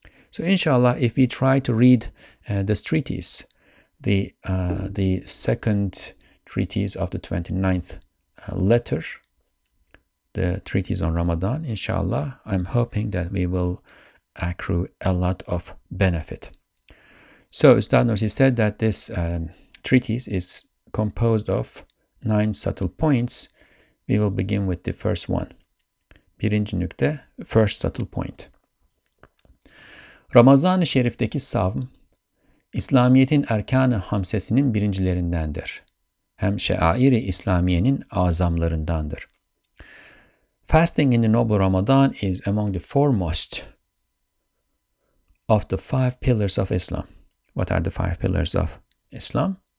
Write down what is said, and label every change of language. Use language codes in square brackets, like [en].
[en] So inshallah, if we try to read this treatise, the second treatise of the 29th letter, the treatise on Ramadan, inshallah, I'm hoping that we will accrue a lot of benefit. So Ustad Nursi said that this treatise is composed of 9 subtle points. We will begin with the first one. [tr] Birinci nükte, [en] first subtle point. [tr] Ramazan-ı Şerif'teki savm, İslamiyet'in erkan-ı hamsesinin birincilerindendir. Hem şeair-i İslamiye'nin azamlarındandır. [en] Fasting in the noble Ramadan is among the foremost of the 5 pillars of Islam. What are the 5 pillars of Islam?